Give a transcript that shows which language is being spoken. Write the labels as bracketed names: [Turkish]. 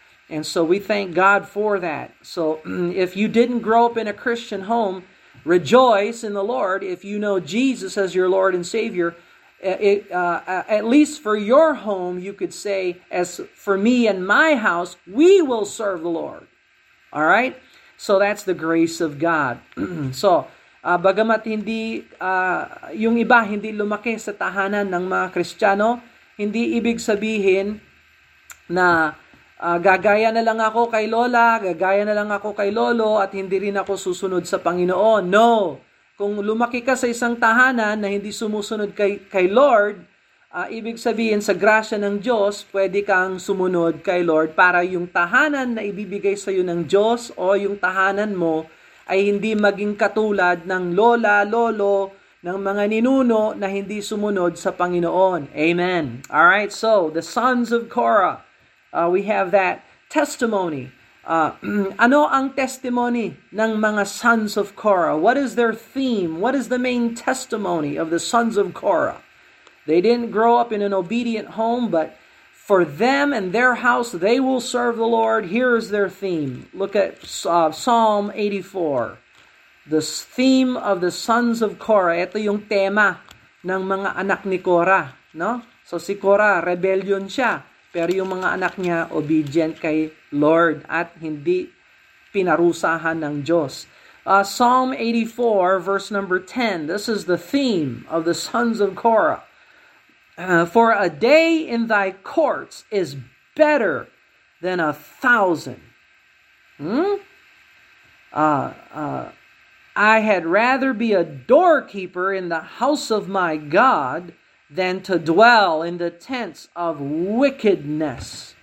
[English] And so we thank God for that. So if you didn't grow up in a Christian home, rejoice in the Lord. If you know Jesus as your Lord and Savior, at least for your home, you could say, as for me and my house, we will serve the Lord. All right? So that's the grace of God. [Filipino] So, bagamat hindi, yung iba hindi lumaki sa tahanan ng mga Kristiyano, hindi ibig sabihin na gagaya na lang ako kay Lola, gagaya na lang ako kay Lolo, at hindi rin ako susunod sa Panginoon. No! Kung lumaki ka sa isang tahanan na hindi sumusunod kay Lord, ibig sabihin sa grasya ng Diyos, pwede kang sumunod kay Lord para yung tahanan na ibibigay sa iyo ng Diyos o yung tahanan mo ay hindi maging katulad ng Lola, Lolo, ng mga ninuno na hindi sumunod sa Panginoon. Amen. [English] All right, so the sons of Korah, we have that testimony. [Filipino] Ano ang testimony ng mga sons of Korah? [English] What is their theme? What is the main testimony of the sons of Korah? They didn't grow up in an obedient home, but for them and their house, they will serve the Lord. Here is their theme. Look at Psalm 84. The theme of the sons of Korah. [Filipino] Ito yung tema ng mga anak ni Korah. No? So si Korah, rebellion siya. Pero yung mga anak niya, obedient kay Lord at hindi pinarusahan ng Diyos. [English] Psalm 84, verse number 10. This is the theme of the sons of Korah. For a day in thy courts is better than a thousand. I had rather be a doorkeeper in the house of my God than to dwell in the tents of wickedness.